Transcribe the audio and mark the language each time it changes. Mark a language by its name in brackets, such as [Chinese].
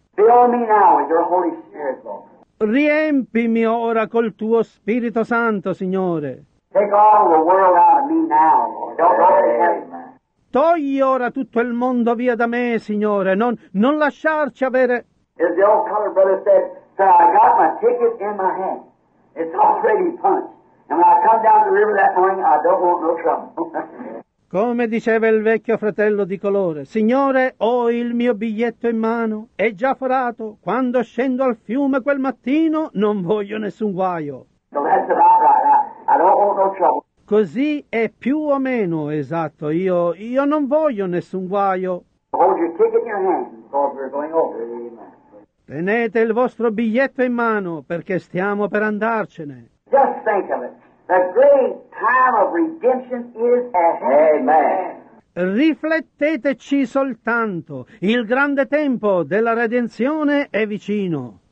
[English] Fill me now with your Holy Spirit, Lord. [Italian] Riempimi ora col tuo Spirito Santo, Signore. [English] Take all the world out of me now, Lord. Don't let it happen. [Italian] Togli ora tutto il mondo via da me, Signore. Non lasciarci avere. [English] As the old colored brother said, sir, I got my ticket in my hand. It's already punched. And when I come down the river that morning, I don't want no trouble. [Italian] Come diceva il vecchio fratello di colore, Signore, ho il mio biglietto in mano, è già forato. Quando scendo al fiume quel mattino, non voglio nessun guaio. [English] So that's about right. I don't want no trouble. [Italian] Così è più o meno esatto. Io non voglio nessun guaio. [English] Hold your ticket in your hand, because we're going over. [Italian] Tenete il vostro biglietto in mano, perché stiamo per andarcene. [English] Just think of it. The great time of redemption is ahead. Amen. [Italian] Rifletteteci soltanto. Il grande tempo della redenzione è vicino.